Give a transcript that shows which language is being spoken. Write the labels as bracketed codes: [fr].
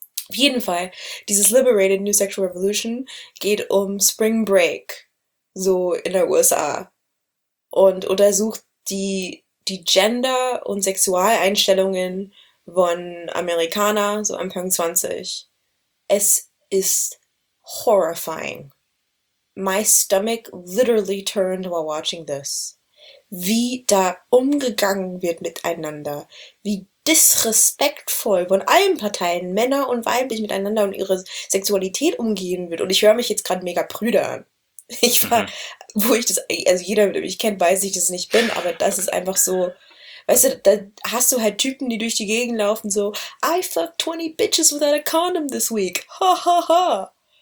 [de] Auf jeden Fall, dieses Liberated New Sexual Revolution geht um Spring Break, so in der USA. Und untersucht die Gender- und Sexualeinstellungen von Amerikaner, so Anfang 20. Es ist horrifying. [en] My stomach literally turned while watching this. [de] Wie da umgegangen wird miteinander. Wie disrespektvoll von allen Parteien, Männer und weiblich, miteinander und ihre Sexualität umgehen wird. Und ich höre mich jetzt gerade mega prüde an. Ich war, wo ich das, also jeder, der mich kennt, weiß, ich das nicht bin, aber das ist einfach so, weißt du, da hast du halt Typen, die durch die Gegend laufen, so, [en] I fucked 20 bitches without a condom this week. [de] Ha, ha, ha.